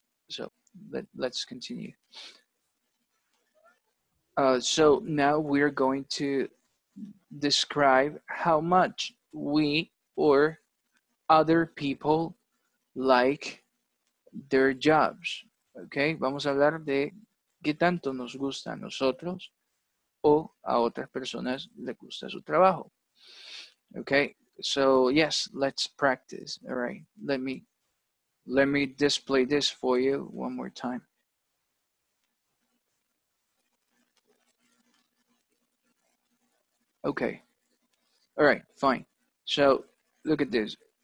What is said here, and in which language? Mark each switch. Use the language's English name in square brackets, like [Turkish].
[English] So let's continue. So now we're going to describe how much we or other people like their jobs. [Spanish] Okay, vamos a hablar de qué tanto nos gusta a nosotros o a otras personas le gusta su trabajo. [English] Okay, so yes, let's practice. All right, let me display this for you one more time. Okay, all right, fine. So look at this.